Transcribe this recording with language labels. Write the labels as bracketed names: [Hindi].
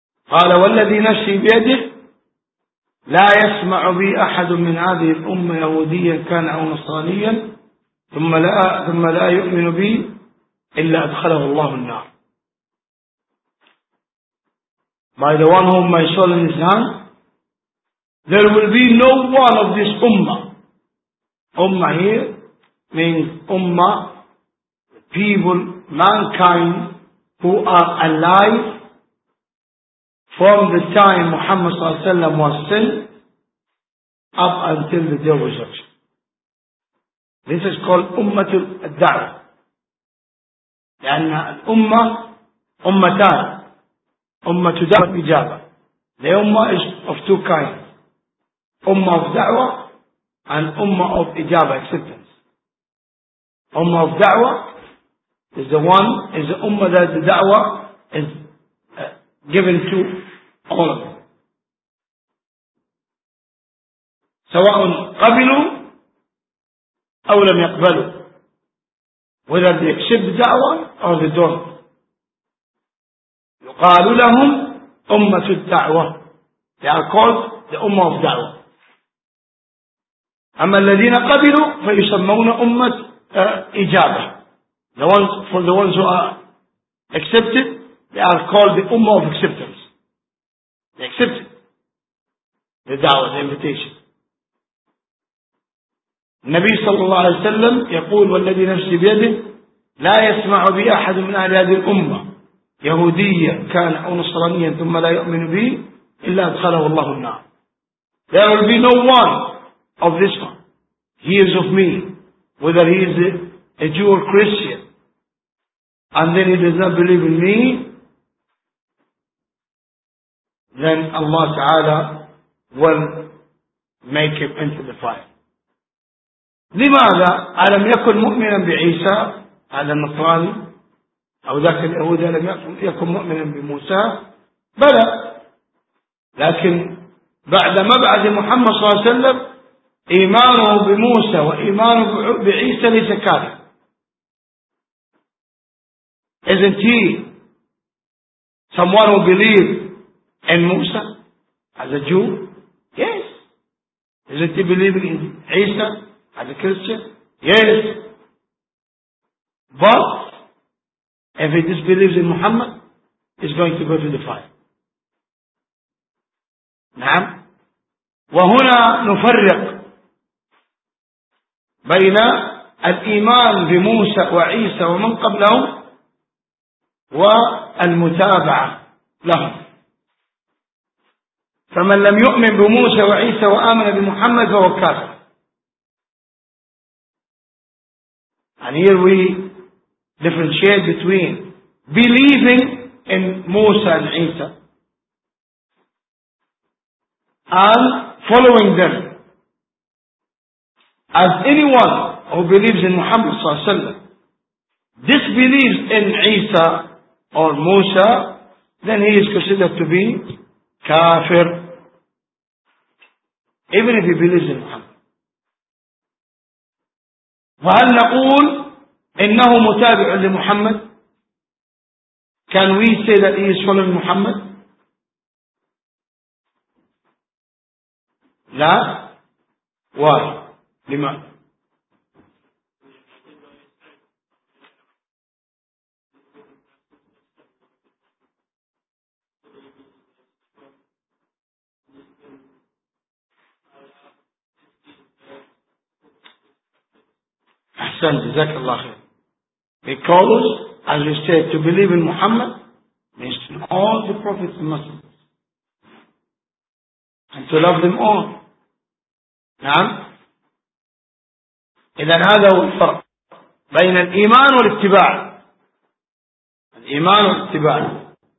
[Arabic] قال والذي نفسي بيده لا يسمع بي أحد من هذه الأمة يهوديا كان أو نصرانيا ثم لا يؤمن بي إلا أدخله الله النار. [English] By the one whom my soul is in, there will be no one of this ummah. Ummah here means ummah, people, mankind who are alive from the time Muhammad sallallahu alaihi wasallam was sent up until the day of resurrection. This is called ummatul da'wa. [Arabic] لأنها الأمة أمتان أمة دعوة إجابة. [English] The ummah is of two kinds. Ummah of da'wa and ummah of ijaba acceptance. Ummah of da'wa is the one, is the ummah that the da'wah is given to all of them. [Arabic] سواء قبلوا أو لم يقبلوا. [English] Whether they accept the da'wah or they don't. [Arabic] يقال لهم أمة الدعوة. [English] They are called the ummah of da'wah. [Arabic] أما الذين قبلوا فيسمون أمة إجابة. [English] The ones, for the ones who are accepted, they are called the ummah of acceptance. They accepted the da'wah, the invitation. [Arabic] النبي صلى الله عليه وسلم يقول والذي نفسي بيده لا يسمع بي أحد من أهل هذه الأمة يهوديا كان أو نصرانيا ثم لا يؤمن بي إلا أدخله الله النار. [English] There will be no one of this one. He is of me. Whether he is a Jew or Christian. And then he does not believe in me, then Allah Ta'ala will make him into the fire. [Arabic] لماذا ألم يكن مؤمنا بعيسى على النصراني أو ذاك اليهود لم يكن مؤمنا بموسى؟ بلى، لكن بعد مبعث محمد صلى الله عليه وسلم إيمانه بموسى وإيمانه بعيسى ليس كافيا. [English] Isn't he someone who believed in Musa as a Jew? Yes. Isn't he believing in Isa as a Christian? Yes. But if he disbelieves in Muhammad, he's going to go to the fire. [Arabic] نعم. وهنا نفرق بين الإيمان بموسى وعيسى ومن قبلهم والمتابعة لهم. فمن لم يؤمن بموسى وعيسى وآمن بمحمد فهو كافر. [English] And here we differentiate between believing in موسى and عيسى and following them. As anyone who believes in Muhammad صلى الله عليه وسلم disbelieves in عيسى or Musa, then he is considered to be kafir, even if he believes in Muhammad. [Arabic] وهل نقول إنه متابع لمحمد? [English] Can we say that he is following Muhammad? [Arabic] لا. [English] Why? [Arabic] لماذا? أحسن جزاك الله خير. [English] Because as we said, to believe in Muhammad means to know all the prophets and messengers and to love them all. [Arabic] نعم. إذن هذا هو الفرق بين الإيمان والاتباع. الإيمان والاتباع.